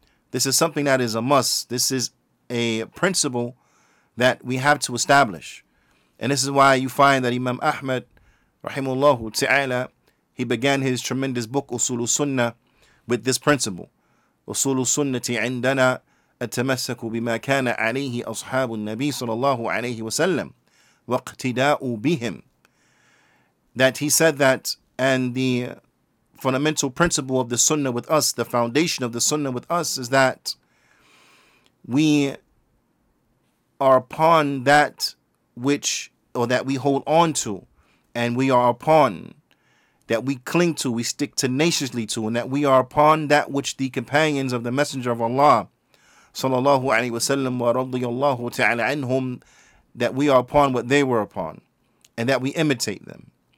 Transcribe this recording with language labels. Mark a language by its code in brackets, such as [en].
[en] This is something that is a must. This is a principle that we have to establish. And this is why you find that Imam Ahmad, rahimullahu ta'ala, he began his tremendous book, Usulu Sunnah, with this principle. [ar] Usulu Sunnati indana. التمسك بما كان عليه أصحاب النبي صلى الله عليه وسلم واقتداء بهم. [en] That he said that, and the fundamental principle of the sunnah with us, the foundation of the sunnah with us, is that we are upon that which, or that we hold on to, and we are upon, that we cling to, we stick tenaciously to, and that we are upon that which the companions of the Messenger of Allah sallallahu alayhi wa sallam wa radiyallahu ta'ala anhum, that we are upon what they were upon, and that we imitate them.